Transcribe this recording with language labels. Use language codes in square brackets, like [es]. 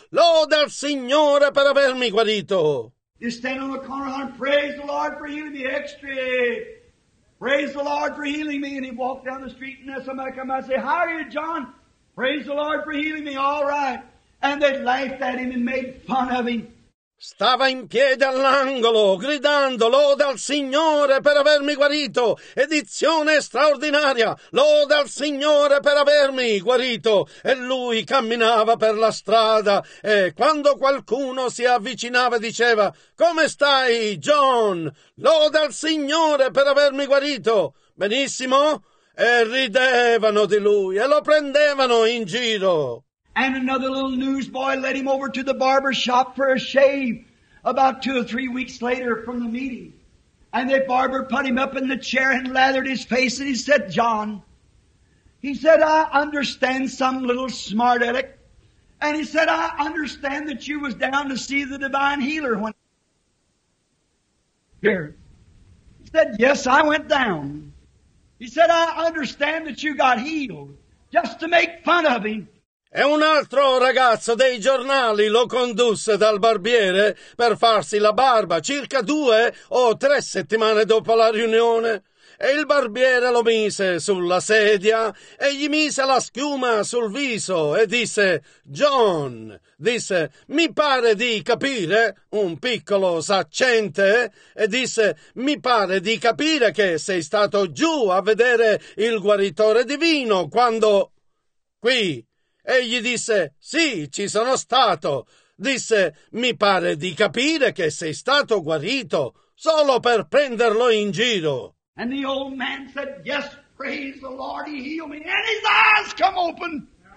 [it] Lode al Signore per avermi guarito. [en] You stand on the corner and praise the Lord for healing me. Extra. Praise the Lord for healing me. And he walked down the street and somebody come out and say, how are you, John? Praise the Lord for healing me. All right. And they laughed at him and made fun of him. [it] Stava in piedi all'angolo, gridando, lode al Signore per avermi guarito. Edizione straordinaria. Lode al Signore per avermi guarito. E lui camminava per la strada. E quando qualcuno si avvicinava diceva, come stai, John? Lode al Signore per avermi guarito. Benissimo. E ridevano di lui e lo prendevano in giro. [en] And another little newsboy led him over to the barber shop for a shave. about 2 or 3 weeks later from the meeting. And the barber put him up in the chair and lathered his face. And he said, John, he said, I understand some little smart aleck. And he said, I understand that you was down to see the divine healer when here. He said, yes, I went down. He said, I understand that you got healed just to make fun of him. [it] E un altro ragazzo dei giornali lo condusse dal barbiere per farsi la barba circa 2 o 3 settimane dopo la riunione. E il barbiere lo mise sulla sedia e gli mise la schiuma sul viso e disse, John, disse, mi pare di capire, un piccolo saccente, e disse, mi pare di capire che sei stato giù a vedere il guaritore divino quando... qui... Egli disse, sì, ci sono stato. Disse, mi pare di capire che sei stato guarito solo per prenderlo in giro. [en] And the old man said, yes, praise the Lord, he healed me. And his eyes come open.